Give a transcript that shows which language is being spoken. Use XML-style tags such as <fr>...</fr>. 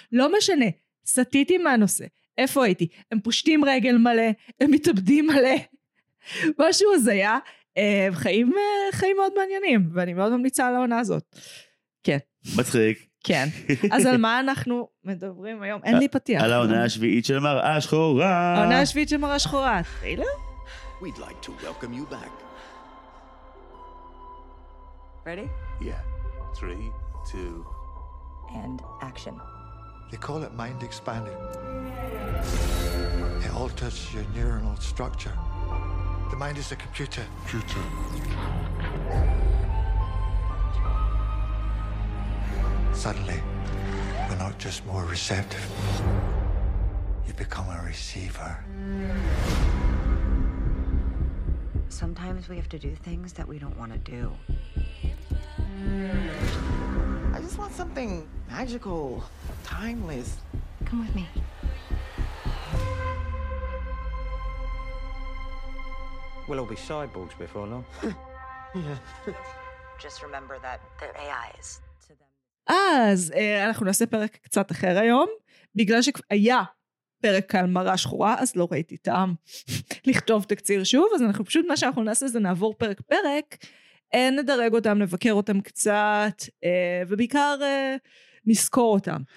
<he>לא משנה, סטיתי מהנושא, איפה הייתי? הם פושטים רגל מלא, הם מתאבדים מלא, משהו הזיה, חיים מאוד מעניינים, ואני מאוד ממליצה על העונה הזאת. כן. מצחיק. כן. אז על מה אנחנו מדברים היום? אין לי פתיח. על העונה השביעית של מראה שחורה. העונה השביעית של מראה שחורה. תחילה?</he> <en>We'd like to welcome you back. Ready? Yeah. 3, 2, and action. They call it mind expanding. It alters your neuronal structure. The mind is a computer. Computer. Suddenly, we're not just more receptive. You become a receiver. Sometimes we have to do things that we don't want to do. I just want something magical, timeless. Come with me. We'll all be cyborgs before long. Yeah. Just remember that they're AIs to them.</en> <he>אז אנחנו נעשה פרק קצת אחר היום, בגלל שהיה פרק על מראה שחורה, אז לא ראיתי טעם לכתוב תקציר שוב, אז אנחנו פשוט, מה שאנחנו נעשה זה נעבור פרק פרק, נדרג אותם, נבקר אותם קצת, ובעיקר נזכור אותם.</he>